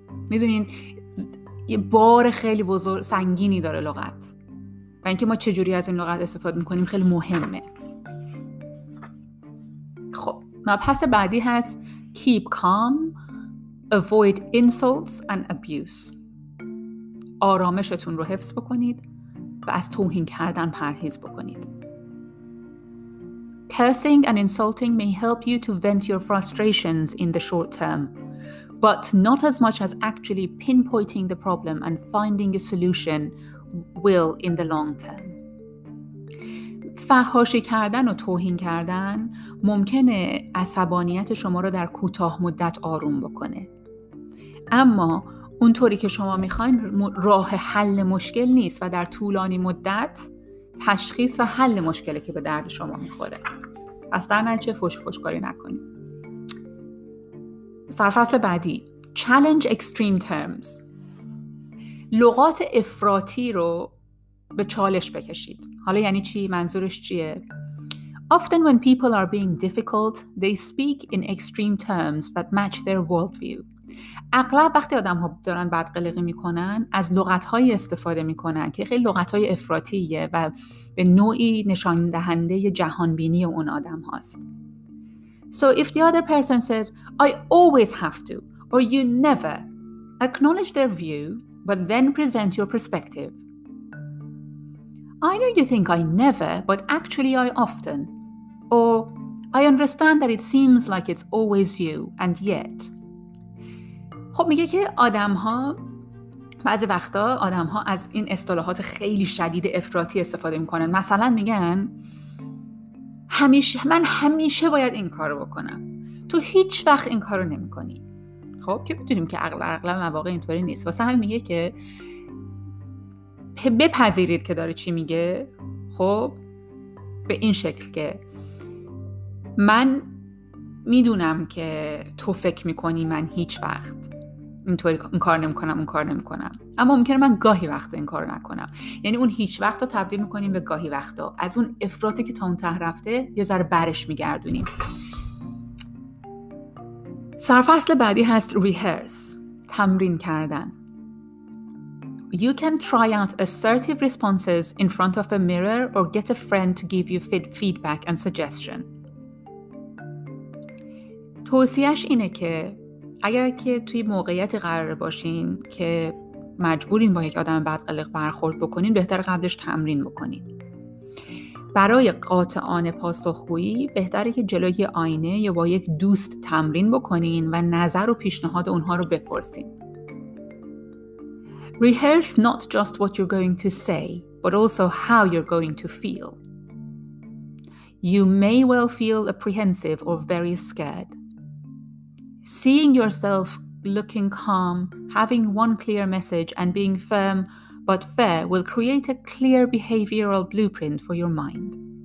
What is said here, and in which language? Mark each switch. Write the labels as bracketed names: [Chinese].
[Persian] میدونین یه بار خیلی بزرگ سنگینی داره لغت، و اینکه ما چجوری از این لغت استفاده میکنیم خیلی مهمه. خب مبحث بعدی هست [English] keep calm, avoid insults and abuse. [Persian] آرامشتون رو حفظ بکنید و از توهین کردن پرهیز بکنید. [English] Cursing and insulting may help you to vent your frustrations in the short term, but not as much as actually pinpointing the problem and finding a solution will in the long term. [Persian] فحاشی کردن و توهین کردن ممکنه عصبانیت شما رو در کوتاه مدت آروم بکنه. اما اونطوری که شما میخواین راه حل مشکل نیست و در طولانی مدت تشخیص و حل مشکلی که به درد شما میخوره. پس در نتیجه فوش کاری نکنید. سرفصل بعدی، [English] Challenge Extreme Terms. [Persian] لغات افراطی رو به چالش بکشید. حالا یعنی چی؟ منظورش چیه؟ [English] Often when people are being difficult, they speak in extreme terms that match their worldview. [Persian] اغلب وقتی آدم ها دارن بدقلقی میکنن از لغت های استفاده میکنن که خیلی لغت های افراطیه و به نوعی نشان دهنده جهان بینی اون آدم هاست. [English] So if the other person says I always have to or you never, acknowledge their view but then present your perspective. I know you think I never but actually I often, or I understand that it seems like it's always you and yet. [Persian] خب میگه که آدم‌ها بعضی وقتا آدم‌ها از این اصطلاحات خیلی شدید افراطی استفاده می‌کنن. مثلا میگن من همیشه باید این کارو بکنم. تو هیچ وقت این کارو نمی‌کنی. خب که می‌دونیم که اغلب مواقع اینطوری نیست. واسه همین میگه که بپذیرید که داره چی میگه. خب به این شکل که من میدونم که تو فکر می‌کنی من هیچ وقت اینطوری اون کار نمی کنم اما ممکنه من گاهی وقت این کار نکنم. یعنی اون هیچ وقت رو تبدیل میکنیم به گاهی وقت، از اون افراطی که تا اون ته رفته یه ذره برش میگردونیم. سرفصل بعدی هست rehearse، تمرین کردن. [English] You can try out assertive responses in front of a mirror or get a friend to give you feedback and suggestion. [Persian] توصیهش اینه که اگر که توی موقعیت قرار باشین که مجبورین با یک آدم بدقلق برخورد بکنین، بهتر قبلش تمرین بکنین. برای قاطعانه پاسخگویی بهتره که جلوی آینه یا با یک دوست تمرین بکنین و نظر و پیشنهاد اونها رو بپرسین. [English] Rehearse not just what you're going to say, but also how you're going to feel. You may well feel apprehensive or very scared. Seeing yourself looking calm, having one clear message and being firm but fair will create a clear behavioral blueprint for your mind.